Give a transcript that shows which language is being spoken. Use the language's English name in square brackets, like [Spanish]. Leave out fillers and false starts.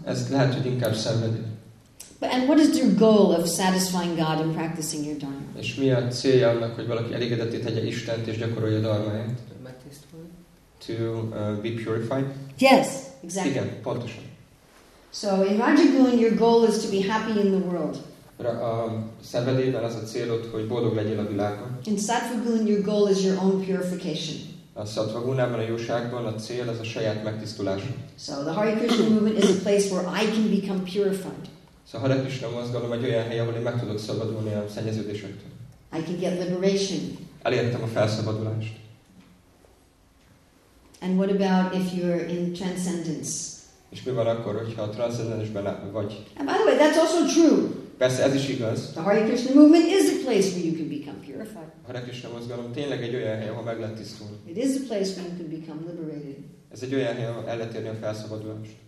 [English] But, and what is your goal of satisfying God and practicing your Dharma? [Hungarian] És mi a célja annak, hogy valaki elégedetté tegye Istent és gyakorolja Dharmáját? [English] To be purified? Yes, exactly. [Hungarian] Igen, pontosan. [English] So in Rajagun your goal is to be happy in the world. [Hungarian] Szenvedélyben az a célod, hogy boldog legyél a világon. [English] In Sattvagun your goal is your own purification. [Hungarian] A Sattvagunában, a jóságban a cél az a saját megtisztulásod. [English] So the Hare Krishna movement is a place where I can become purified. [Hungarian] So Hare Krishna mozgalom egy olyan hely, ahol én meg tudok szabadulni a szennyeződésektől. [English] I can get liberation. [Hungarian] Elértem a felszabadulást. [English] And what about if you're in transcendence? [Hungarian] És mi van akkor, hogyha a transzendensben vagy? [English] And by the way, that's also true. [Hungarian] Persze, ez is igaz. [English] The Hare Krishna movement is a place where you can become purified. [Hungarian] A Hare Krishna mozgalom tényleg egy olyan hely, ahol meg lehet tisztulni. [English] It is a place where you can become liberated. [Hungarian] Ez egy olyan hely, ahol el lehet érni a felszabadulást.